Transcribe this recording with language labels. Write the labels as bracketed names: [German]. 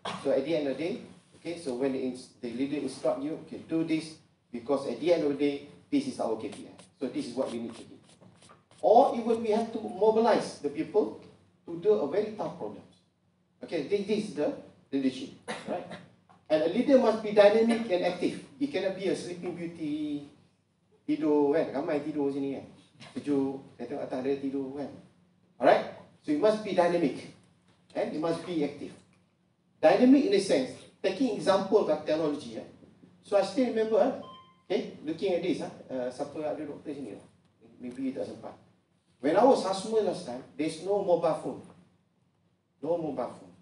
[English] So at the end of the day, okay, so when the leader instruct you, okay, do this, because at the end of the day, this is our KPI. So this is what we need to do. Or even we have to mobilize the people to do a very tough problem. Okay, this is the leadership, right? And a leader must be dynamic and active. He cannot be a sleeping beauty, [Malay] tidur, kan? Ramai tidur sini, kan? Sejuk, saya tengok atas dia tidur, kan? [English] Alright? So, he must be dynamic. And he must be active. Dynamic in the sense, taking example of technology, kan? So, I still remember, okay, looking at this, [Malay] siapa ada doktor sini, lah. [English] Maybe you [Malay] tak sempat. [English] When I was SASMEC last time, there's no mobile phone. No mobile phone.